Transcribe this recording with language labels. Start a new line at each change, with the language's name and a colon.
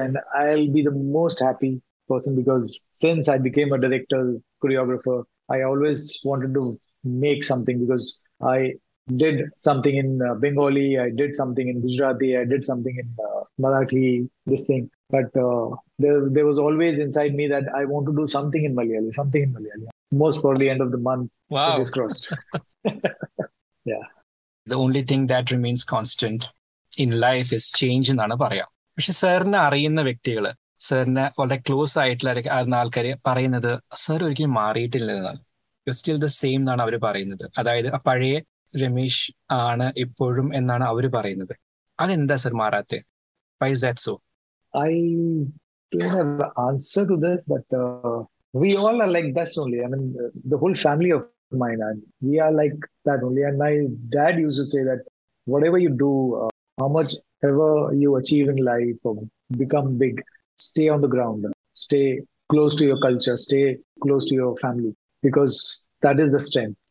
English: And I'll be the most happy person, because since I became a director, choreographer, I always wanted to make something, because I did something in Bengali, I did something in Gujarati, I did something in Marathi, this thing. But there was always inside me that I want to do something in Malayali, something in Malayali. Most probably end of the month, wow, it is crossed. Yeah. The only thing that remains constant in life is change.
Malayalam: പക്ഷെ സാറിനെ അറിയുന്ന വ്യക്തികൾ സാറിനെ വളരെ close ആയിട്ടുള്ള ആൾക്കാര് പറയുന്നത് sir ഒരിക്കലും മാറിയിട്ടില്ല എന്നാണ്.
English: you still the same
Malayalam: എന്നാണ് അവർ പറയുന്നത്. അതായത് ആ പഴയ രമേശ് ആണ് ഇപ്പോഴും എന്നാണ് അവർ പറയുന്നത്. അതെന്താ sir മാറാത്തത്?
English: Why's that so? I don't have an answer to this, but we all are like that only. I mean, the whole family of mine, we are like that only. And my dad used to say that whatever you do, how much ever you achieve in life or become big, stay on the ground, stay close to your culture, stay close to your family, because that is the strength.